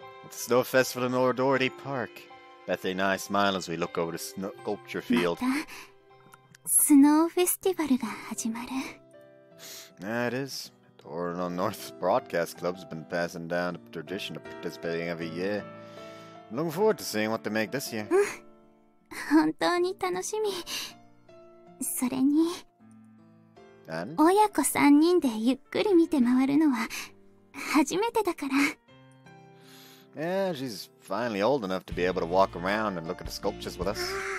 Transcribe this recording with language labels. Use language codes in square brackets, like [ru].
[en] Snow Festival in Lord Doherty Park. Bethy and I smile as we look over the snow sculpture field. [ja] Snow Festival が始まる。 [en] Yeah, it is. Toronto North Broadcast Club has been passing down the tradition of participating every year. I'm looking forward to seeing what they make this year. [ja] 本当に楽しみ。それに、親子三人でゆっくり見て回るのは初めてだから。 [en] Yeah, she's finally old enough to be able to walk around and look at the sculptures with us.